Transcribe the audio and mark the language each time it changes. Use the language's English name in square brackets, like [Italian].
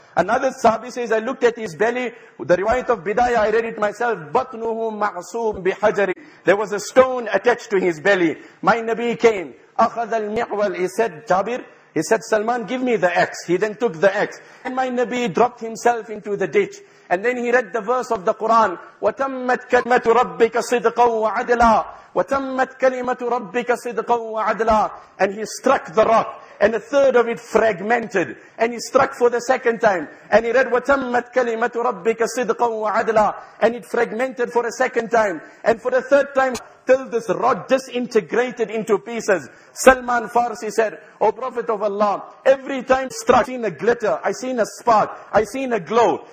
[English] Another sahabi says, I looked at his belly. The riwayat of Bidayah, I read it myself. [Arabic] Batnuhu ma'soom bihajari. [English] There was a stone attached to his belly. My Nabi came. [Arabic] Akhad al-mi'wal, [English] he said, Jabir, He said, Salman, give me the axe. He then took the axe. And my Nabi dropped himself into the ditch. And then he read the verse of the Quran. [Arabic] وَتَمَّتْ كَلِمَةُ رَبِّكَ صِدْقًا وَعَدْلًا وَتَمَّتْ كَلِمَةُ رَبِّكَ صِدْقًا وَعَدْلًا [English] And he struck the rock. And a third of it fragmented. And he struck for the second time. And he read, [Arabic] وَتَمَّتْ كَلِمَةُ رَبِّكَ صِدْقًا وَعَدْلًا And it fragmented for a second time. [English] And for the third time, till this rod disintegrated into pieces. Salman Farsi said, O Prophet of Allah, every time struck, I seen a glitter, I seen a spark, I seen a glow.